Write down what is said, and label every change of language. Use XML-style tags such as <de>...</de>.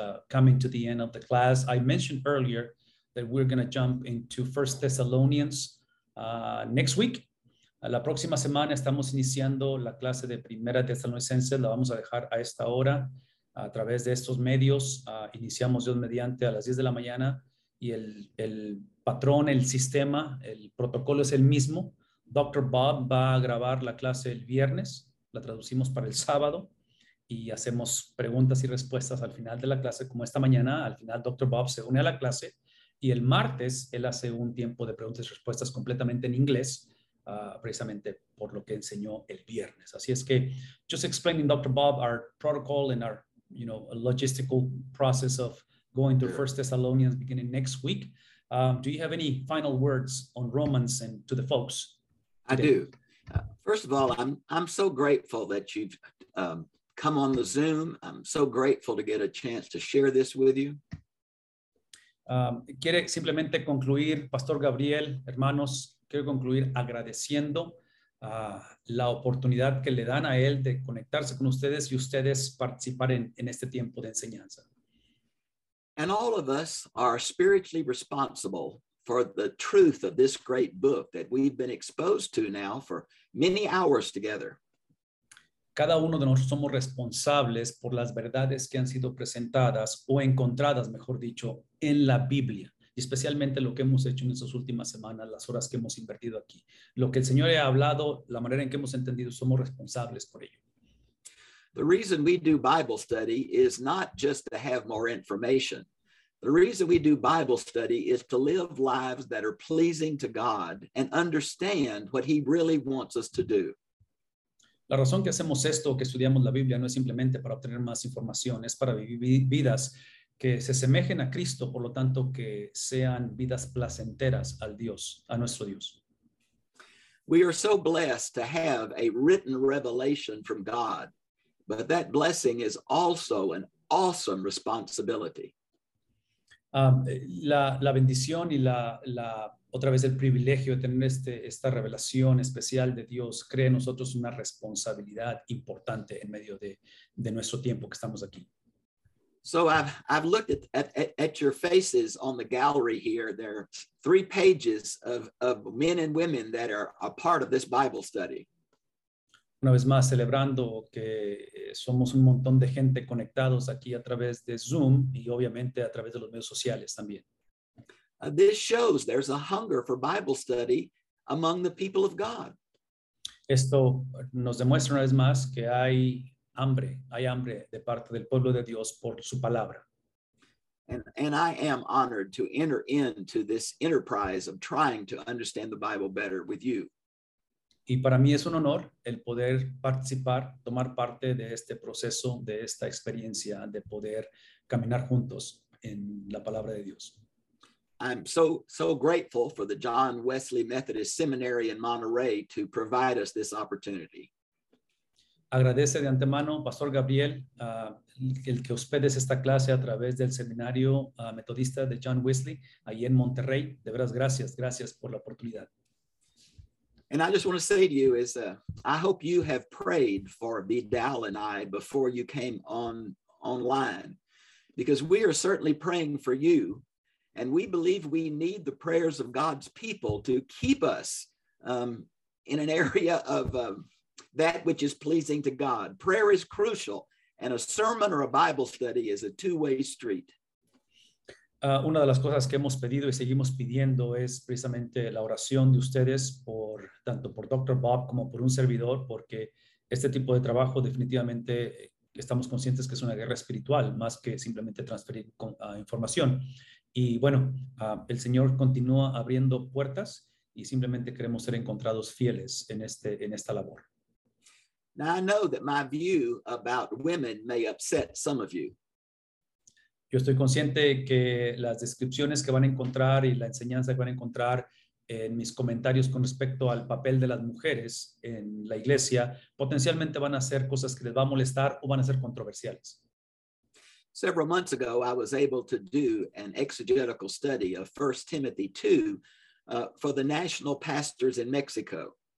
<en>Coming to the end of the class. I mentioned earlier that we're going to jump into 1 Thessalonians next week.</en> <es>La próxima semana estamos iniciando la clase de Primera Tesalonicenses. La vamos a dejar a esta hora a través de estos medios. Iniciamos Dios mediante a las 10 de la mañana. Y el patrón, el sistema, el protocolo es el mismo. Dr. Bob va a grabar la clase el viernes, la traducimos para el sábado, y hacemos preguntas y respuestas al final de la clase, como esta mañana. Al final, Dr. Bob se une a la clase y el martes él hace un tiempo de preguntas y respuestas completamente en inglés, precisamente por lo que enseñó el viernes. Así es que,</es> <en>just explaining,</en> <es>Dr.</es> <en>Bob, our protocol and our, you know, logistical process of going to First Thessalonians beginning next week. Do you have any final words on Romans and to the folks today? I do. First of all, I'm so grateful that you've come on the Zoom. I'm so grateful to get a chance to share this with you.</en> <es>Quiere simplemente concluir, Pastor Gabriel, hermanos, quiero concluir agradeciendo la oportunidad que le dan a él de conectarse con ustedes y ustedes participar en este tiempo de enseñanza.</es> <en>And all of us are spiritually responsible for the truth of this great book that we've been exposed to now for many hours together.</en> <es>Cada uno de nosotros somos responsables por las verdades que han sido presentadas o encontradas, mejor dicho, en la Biblia, y especialmente lo que hemos hecho en estas últimas semanas, las horas que hemos invertido aquí. Lo que el Señor ha hablado, la manera en que hemos entendido, somos responsables por ello.</es> <en>The reason we do Bible study is not just to have more information. The reason we do Bible study is to live lives that are pleasing to God and understand what He really wants us to do.</en> <es>La razón que hacemos esto, que estudiamos la Biblia, no es simplemente para obtener más información, es para vivir vidas que se semejen a Cristo, por lo tanto que sean vidas placenteras al Dios, a nuestro Dios.</es> <en>We are so blessed to have a written revelation from God. But that blessing is also an awesome responsibility.</en> <es>La bendición y la otra vez el privilegio de tener esta revelación especial de Dios crea en nosotros una responsabilidad importante en medio de nuestro tiempo que estamos aquí.</es> <en>So I've looked at your faces on the gallery here. There are three pages of men and women that are a part of this Bible study.</en> <es>Una vez más, celebrando que somos un montón de gente conectados aquí a través de Zoom y obviamente a través de los medios sociales también.</es> <en>This shows there's a hunger for Bible study among the people of God.</en> <es>Esto nos demuestra una vez más que hay hambre de parte del pueblo de Dios por su palabra.</es> <en>And I am honored to enter into this enterprise of trying to understand the Bible better with you.</en> <es>Y para mí es un honor el poder participar, tomar parte de este proceso, de esta experiencia, de poder caminar juntos en la palabra de Dios.</es> <en>I'm so grateful for the John Wesley Methodist Seminary in Monterey to provide us this opportunity.</en> <es>Agradece de antemano, Pastor Gabriel, el que hospedes esta clase a través del seminario metodista de John Wesley, ahí en Monterrey. De veras, gracias por la oportunidad.</es> <en>And I just want to say to you is, I hope you have prayed for Vidal and I before you came online, because we are certainly praying for you, and we believe we need the prayers of God's people to keep us in an area of that which is pleasing to God. Prayer is crucial, and a sermon or a Bible study is a two-way street.</en> <es>Una de las cosas que hemos pedido y seguimos pidiendo es precisamente la oración de ustedes, por tanto por Dr. Bob como por un servidor, porque este tipo de trabajo definitivamente estamos conscientes que es una guerra espiritual más que simplemente transferir información. Y bueno, el Señor continúa abriendo puertas y simplemente queremos ser encontrados fieles en esta labor.</es> <en>Now I know that my view about women may upset some of you.</en> <es>Yo estoy consciente que las descripciones que van a encontrar y la enseñanza que van a encontrar en mis comentarios con respecto al papel de las mujeres en la iglesia potencialmente van a ser cosas que les va a molestar o van a ser controversiales.</es> <en>Several months ago, I was able to do an exegetical study of 1 Timothy 2 for the national pastors in Mexico.</en>